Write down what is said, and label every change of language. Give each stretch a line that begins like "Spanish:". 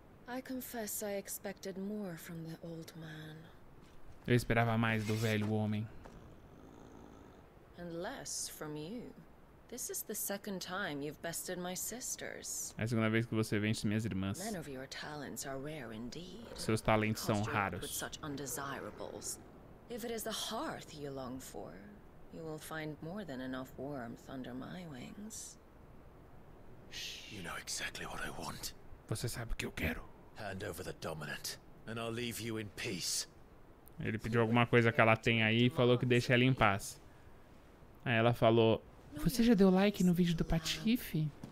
English: I confess I expected more from the old man.
Portuguese: Eu esperava mais do velho homem.
English: And less from you. This is the second time you've bested my sisters.
Portuguese: É a segunda vez que você vence minhas irmãs.
English: None of your talents are rare indeed.
Portuguese: Seus talentos são raros.
English: With such undesirables. If it is the hearth you long for, you will find more than enough warmth under my wings. You know exactly what I want.
Portuguese: Você sabe o que eu quero.
English: Hand over the Dominant, and I'll leave you in peace.
Portuguese: Ele pediu alguma coisa que ela tem aí e falou que deixa ela em paz. Aí ela falou: você já deu like no vídeo do Patife?